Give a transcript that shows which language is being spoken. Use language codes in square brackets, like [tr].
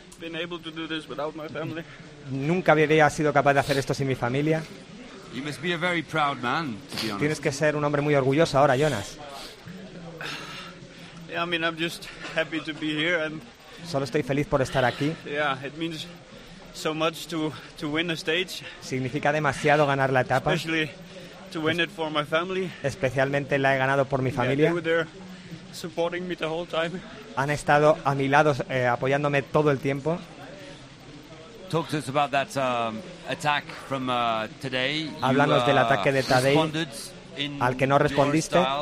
[en] Been able to do this without my family. [es] Nunca habría sido capaz de hacer esto sin mi familia. [en] You must be a very proud man, to be honest. [es] Tienes que ser un hombre muy orgulloso ahora, Jonas. [en] Yeah, I mean, I'm just happy to be here and [es] solo estoy feliz por estar aquí. [en] Yeah, it means so much to win the stage. [es] Significa demasiado ganar la etapa. [en] Especially to win it for my family. [es] Especialmente la he ganado por mi familia. [en] Yeah, they were supporting me the whole time. [es] Han estado a mi lado apoyándome todo el tiempo. [en] Talk to us about that attack from today. [es] Háblanos del ataque de Tadej, al que no respondiste.